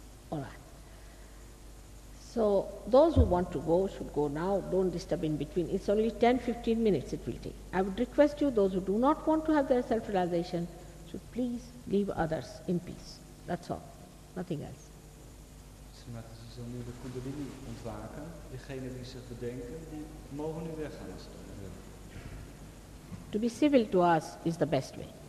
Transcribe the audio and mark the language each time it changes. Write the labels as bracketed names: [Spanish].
[English] All right. So those who want to go should go now, don't disturb in between. It's only 10-15 minutes it will take. I would request you, those who do not want to have their self-realization, should please leave others in peace. That's all, nothing else. [Dutch] Srimati, ze zal nu de kundalini ontwaken. Degene die zich bedenken, die mogen nu weggaan als ze willen. [English] To be civil to us is the best way.